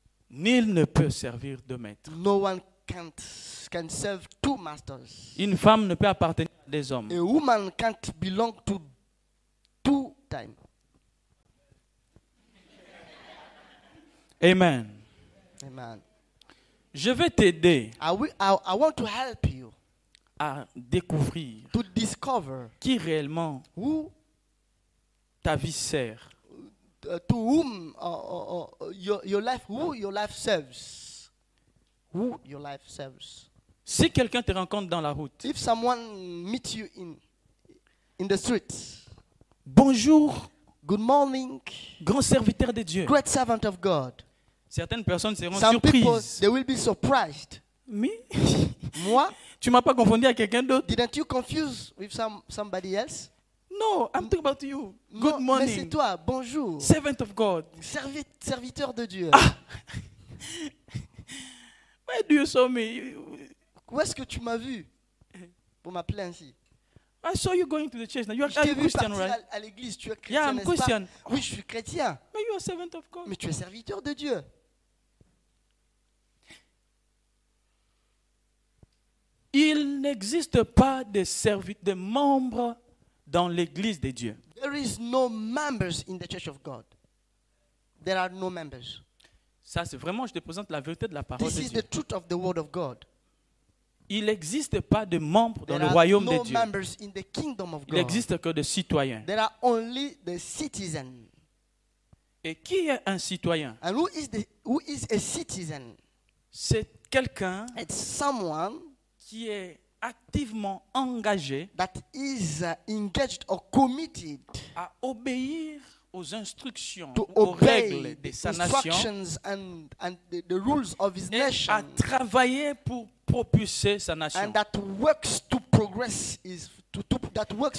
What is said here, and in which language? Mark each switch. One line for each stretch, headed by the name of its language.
French: Nul ne peut servir deux maîtres.
English: No one can serve two masters.
French: Une femme ne peut appartenir à des hommes.
English: A woman can't belong to two times. Amen. Amen.
French: Je vais t'aider.
English: I want to help you
French: à découvrir
English: to discover
French: qui réellement
English: who
French: ta vie sert.
English: To whom your life, who your life serves. Who your life serves.
French: Si quelqu'un te rencontre dans la route.
English: If someone meets you in the street.
French: Bonjour.
English: Good morning.
French: Grand serviteur de Dieu.
English: Great servant of God.
French: Certaines personnes seront
English: some
French: surprises.
English: People, they will be surprised. Me?
French: Moi? Tu m'as pas confondu avec quelqu'un d'autre?
English: Didn't you confuse with somebody else? No, I'm talking about you. No, good morning.
French: Mais c'est toi, bonjour.
English: Servant of God.
French: Serviteur de Dieu. Ah.
English: Where do you saw me?
French: Où est-ce que tu m'as vu pour m'appeler ainsi?
English: I saw you going to the church. Now you are a Christian, right?
French: À l'église, tu es chrétien,
English: yeah, I'm
French: n'est-ce
English: Christian.
French: Pas? Oui, je suis chrétien.
English: But you are servant of God.
French: Mais tu es serviteur de Dieu. Il n'existe pas de serviteur, de membre dans l'église de Dieu.
English: There is no members in the church of God. There are no members.
French: Ça c'est vraiment je te présente la vérité de la parole
English: this
French: de Dieu.
English: This is the truth of the word of God.
French: Il n'existe pas de membres dans le royaume
English: no
French: de Dieu.
English: There are no members in the kingdom of God.
French: Il n'existe que des citoyens.
English: There are only the citizens.
French: Et qui est un citoyen?
English: And who is a citizen?
French: C'est quelqu'un
English: it's someone
French: qui est activement engagé
English: that is engaged or committed
French: à obéir aux instructions
English: to
French: aux règles de sa nation
English: and the rules of his
French: et
English: nation
French: à travailler pour propulser sa nation
English: and that works to progress is to that works